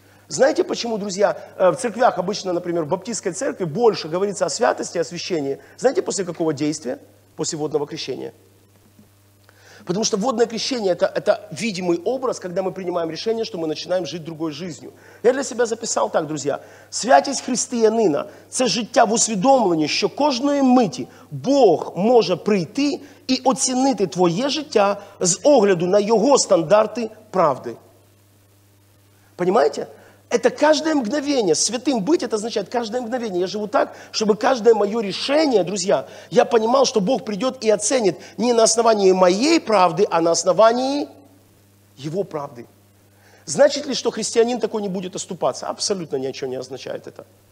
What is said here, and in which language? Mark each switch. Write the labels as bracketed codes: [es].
[ru] Знаете, почему, друзья, в церквях, обычно, например, в баптистской церкви больше говорится о святости, о освящении? Знаете, после какого действия? После водного крещения. Потому что водное крещение – это видимый образ, когда мы принимаем решение, что мы начинаем жить другой жизнью. Я для себя записал так, друзья. [uk] Святість християнина – це життя в усвідомленні, що кожної миті Бог може прийти і оцінити твоє життя з огляду на його стандарти правди. [ru] Понимаете? Это каждое мгновение. Святым быть, это означает каждое мгновение. Я живу так, чтобы каждое мое решение, друзья, я понимал, что Бог придет и оценит не на основании моей правды, а на основании Его правды. Значит ли, что христианин такой не будет оступаться? Абсолютно ничего не означает это.